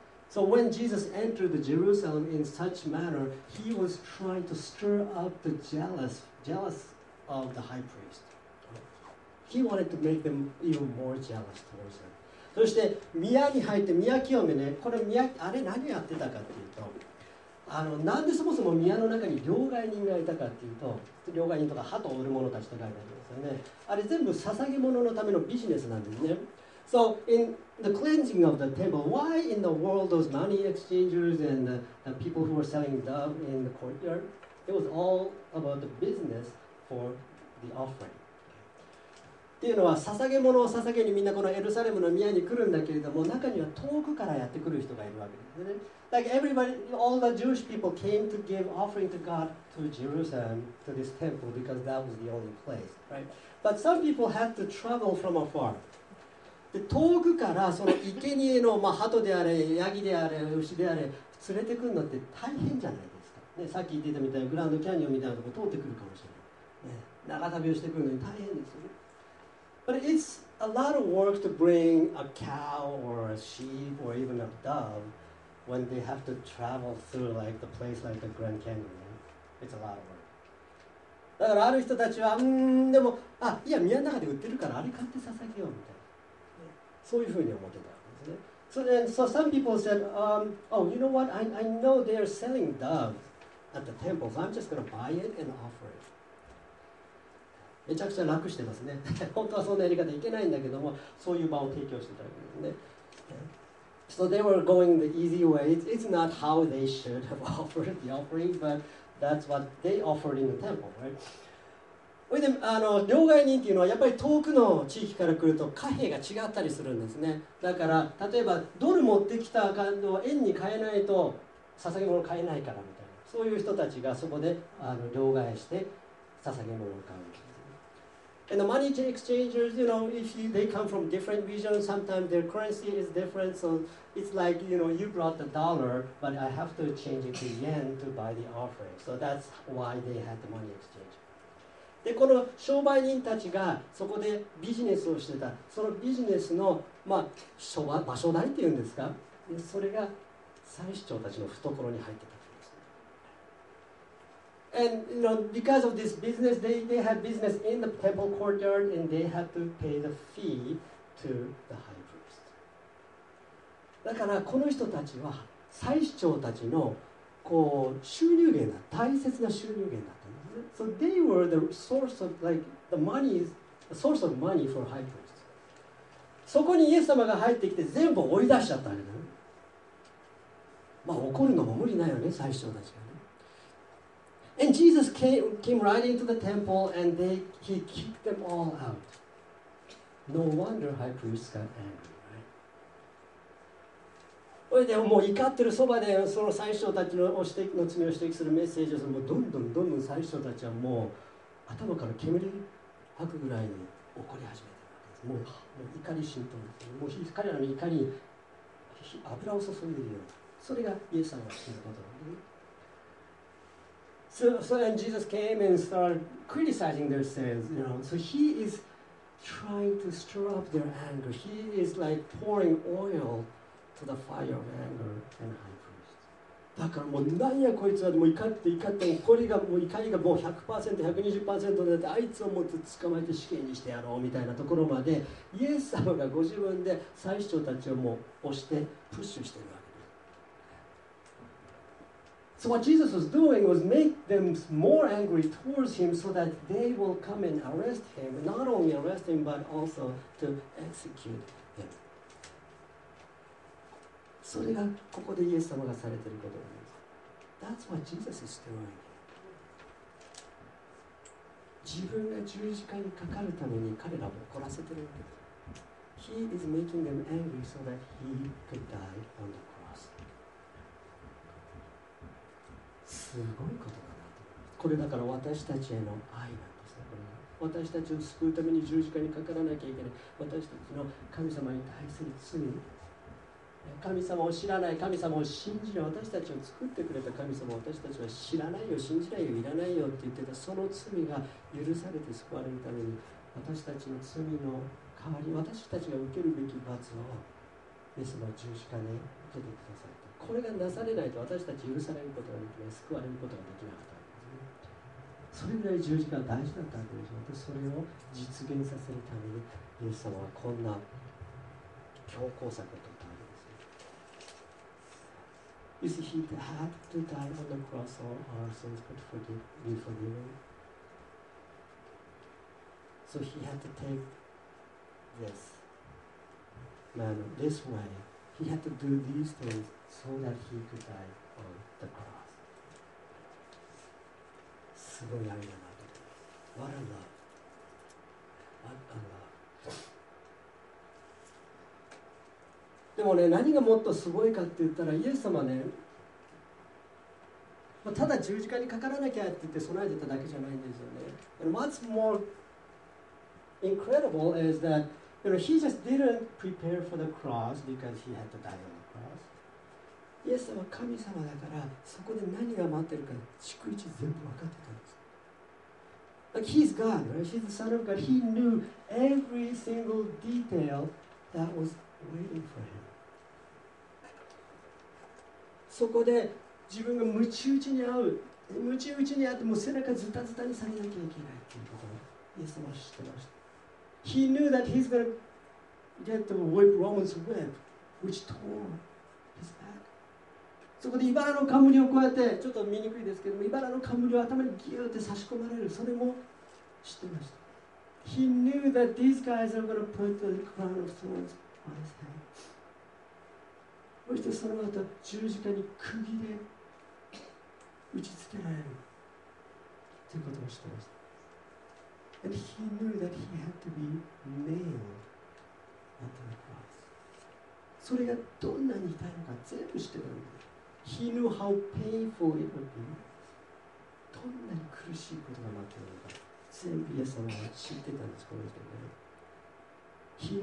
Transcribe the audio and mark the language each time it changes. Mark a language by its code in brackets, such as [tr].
[en] So when Jesus entered Jerusalem in such manner, he was trying to stir up the jealous of the high priest. He wanted to make them even more jealous towards him. [ja] そして宮に入って宮清めね、これ宮あれ何やってたかっていうと、なんでそもそも宮の中に両替人がいたかっていうと、両替人とか鳩を売る者たちとかいたんですよね。あれ全部捧げ物のためのビジネスなんですね。 [en] So in the cleansing of the temple, why in the world those money exchangers and the people who were selling dove in the courtyard? It was all about the business for the offering. [ja] っていうのは捧げ物を捧げにみんなこのエルサレムの宮に来るんだけれども中には遠くからやってくる人がいるわけですね。 [en] Like everybody, all the Jewish people came to give offering to God to Jerusalem to this temple because that was the only place, right? But some people had to travel from afar. [ja] で遠くからその生贄のまあ鳩であれヤギであれ牛であれ連れてくるのって大変じゃないですか。ねさっき言ってたみたいにグランドキャニオンみたいなとこ通ってくるかもしれない。ね長旅をしてくるのに大変ですよね。 [en] But it's a lot of work to bring a cow or a sheep or even a dove when they have to travel through like the place like the Grand Canyon. It's a lot of work. [ja] だからある人たちは、でも、あ、いや、宮の中で売ってるからあれ買って捧げようみたいな。そういうふうに思ってたんですね。 [en] So then, so some people said, oh, you know what? I know they're selling doves at the temple, so I'm just going to buy it and offer it. [ja] めちゃくちゃ楽してますね。本当はそんなやり方いけないんだけども、そういう場を提供してたわけですね。 [en] So they were going the easy way. It's not how they should have offered the offering, but that's what they offered in the temple, right? [ja] で、両替人っていうのはやっぱり遠くの地域から来ると貨幣が違ったりするんですね。だから例えばドル持ってきたあの円に変えないと捧げ物買えないからみたいな。そういう人たちがそこで両替して捧げ物を買う。 [en] And the money exchangers, you know, if you, they come from different regions, sometimes their currency is different. So it's like, you know, you brought the dollar, but I have to change it to yen to buy the offering. So that's why they had the money exchange. [ja] で、この商売人たちがそこでビジネスをしてた。そのビジネスの、まあ、場所代っていうんですか。それが祭司長たちの懐に入ってたんです。 [en] And you know, because of this business, they have business in the temple courtyard, and they have to pay the fee to the high priest. [ja] だからこの人たちは祭司長たちのこう収入源だ、大切な収入源だったんです。 [en] So they were the source of like the money, the source of money for high priest. [ja] そこにイエス様が入ってきて全部追い出しちゃったんだね。まあ怒るのも無理ないよね、最初たちがね。 [en] And Jesus came right into the temple and he kicked them all out. No wonder high priest got angry, right? [ja] それでもう怒ってるそばでその最初たちの指摘の罪を指摘するメッセージをもうどんどんどんどん最初たちはもう頭から煙吐くぐらいに怒り始めてるわけです。もう怒り浸透になって、もう彼らの怒りに油を注いでいるような、それがイエス様が言うことなんですね。 [en] So then Jesus came and started criticizing their sins. You know, so he is trying to stir up their anger. He is like pouring oil to the fire of anger and high priest. [ja] だからもうなんやこいつは、もう怒って、怒りがもう怒りがもう 100%、120% になって、あいつをもっと捕まえて死刑にしてやろうみたいなところまで、イエス様がご自分で祭司長たちをもう押してプッシュしてるわけです。 [en] So what Jesus was doing was make them more angry towards him so that they will come and arrest him, not only arrest him, but also to execute him. [ja] それがここでイエス様がされていることなんです。 [en] That's what Jesus is doing. [ja] 自分が十字架にかかるために彼らを怒らせてるわけです。 [en] He is making them angry so that he could die on the cross. [ja] すごいことかなと。これだから私たちへの愛なんですね。これ私たちを救うために十字架にかからなきゃいけない。私たちの神様に対する罪。神様を知らない、神様を信じない、私たちを作ってくれた神様、私たちは知らないよ、信じないよ、いらないよって言ってた、その罪が許されて救われるために、私たちの罪の代わり、私たちが受けるべき罰を、イエス様十字架で受けてくださった。これがなされないと、私たち許されることができない、救われることができなかったわけですね。それぐらい十字架は大事だったわけでしょう。それを実現させるために、イエス様はこんな強行策を、 [en] You see, he had to die on the cross for our sins, but be forgiven. So he had to take this man this way. He had to do these things so that he could die on the cross. [ja] すごい愛だなと。 [en] What a love. What a love. [ja] でもね、何がもっとすごいかって言ったら、イエス様ね、ただ十字架にかからなきゃって言って備えてただけじゃないんですよね。 [en] And what's more incredible is that, you know, he just didn't prepare for the cross because he had to die on the cross. [ja] イエス様は神様だから、そこで何が待ってるか、逐一全部分かってたんです。 [en] Like, he's God, right? He's the Son of God. He knew every single detail that was waiting for him. [ja] そこで自分が鞭打ちに遭う、鞭打ちに遭ってもう背中ズタズタにされなきゃいけないっていうことをイエス様は知ってました。 [en] He knew that he's gonna get the whip, Roman's whip, which tore his back. [ja] そこで茨の冠をこうやってちょっと見にくいですけども茨の冠を頭にギューって差し込まれる、それも知ってました。 [en] He knew that these guys are gonna put the crown of thorns on his head. [ja] そしてその後十字架に釘で打ち付けられるということを知ってました。 [en] And he knew that he had to be nailed at the cross. [ja] それがどんなに痛いのか全部知ってたんです。 [en] He knew how painful it would be. [ja] どんなに苦しいことが待っているのか全部イエス様は知ってたんです、この人ね。